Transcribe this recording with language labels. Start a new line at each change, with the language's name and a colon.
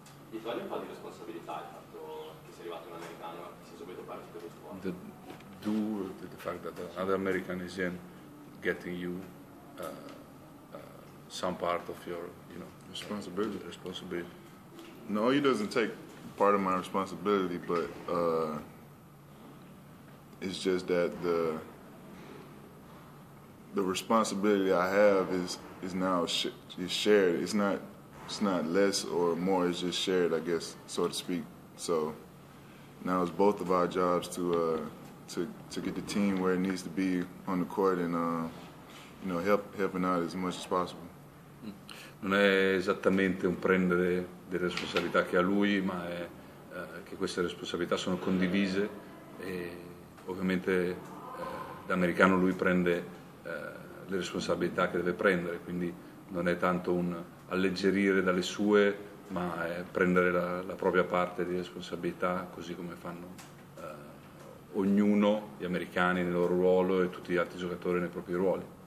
Italian: Gli togli un po' di responsabilità il fatto che sia arrivato un americano e si è subito partito del tuo?
English: The fact that another American is in getting you some part of your, you know, responsibility. No, he doesn't take part of my responsibility, but it's just that the responsibility I have is now is shared. It's not less or more. It's just shared, I guess, so to speak. So now it's both of our jobs to get the team where it needs to be on the court and you know helping out as much as possible.
Italian: Non è esattamente un prendere delle responsabilità che ha lui, ma è che queste responsabilità sono condivise e ovviamente da americano lui prende le responsabilità che deve prendere, quindi non è tanto un alleggerire dalle sue, ma è prendere la propria parte di responsabilità così come fanno ognuno, gli americani nel loro ruolo e tutti gli altri giocatori nei propri ruoli.